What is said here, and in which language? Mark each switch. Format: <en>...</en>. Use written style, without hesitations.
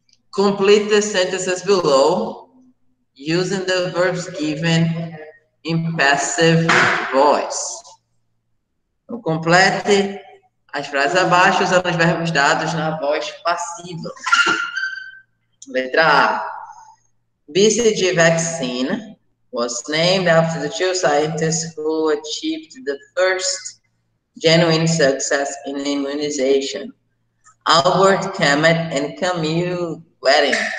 <en>Complete the sentences below using the verbs given in passive voice.</en> <pt>Então, complete as frases abaixo usando os verbos dados na voz passiva. Letra A.</pt> <en>BCG vaccine was named after the two scientists who achieved the first genuine success in immunization, Albert Camus and Camille Wedding.</en>